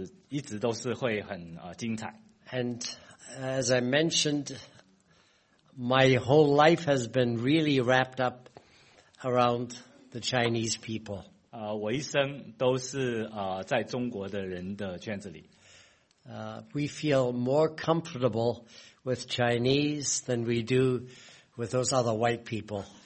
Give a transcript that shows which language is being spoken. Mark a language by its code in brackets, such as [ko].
[zh] 基督徒的生命是永远不会乏味的，是一直都是会很精彩。 [en] And as I mentioned, my whole life has been really wrapped up around the Chinese people. [zh] 我一生都是在中国的人的圈子里。 [en] We feel more comfortable with Chinese than we do with those other white people.